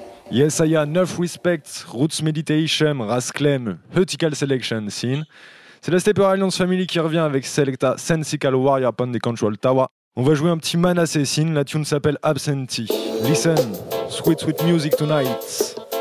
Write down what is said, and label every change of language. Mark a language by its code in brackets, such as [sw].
[en] Yes, I have enough respect, Roots Meditation, Rasclem, Hurtical Selection, Scene. [fr] C'est la Stepper Alliance Family qui revient avec Selecta, Sensical Warrior, Pond the Control, Tawa. On va jouer un petit Manasseh Scene, la tune s'appelle Absentee. [en] Listen, sweet, sweet music tonight.